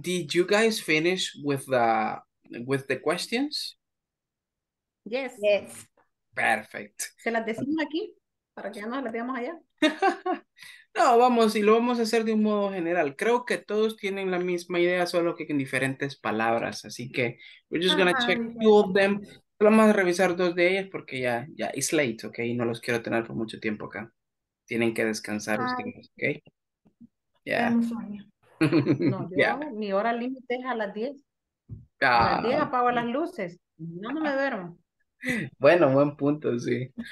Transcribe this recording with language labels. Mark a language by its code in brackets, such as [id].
[en] Did you guys finish with the questions? Yes. Yes. [es] Perfecto. ¿Se las decimos aquí? ¿Para que ya no las digamos allá? No, vamos, y lo vamos a hacer de un modo general. Creo que todos tienen la misma idea, solo que en diferentes palabras. Así que, [en] we're just gonna check two of them. [es] Vamos a revisar dos de ellas porque ya, ya, [en] it's late, [es] ¿ok? No los quiero tener por mucho tiempo acá. Tienen que descansar ustedes, ¿ok? Yeah. No, yo mi hora límite es a las 10. A las 10 apago las luces. No, no me duermo. Bueno, buen punto, sí.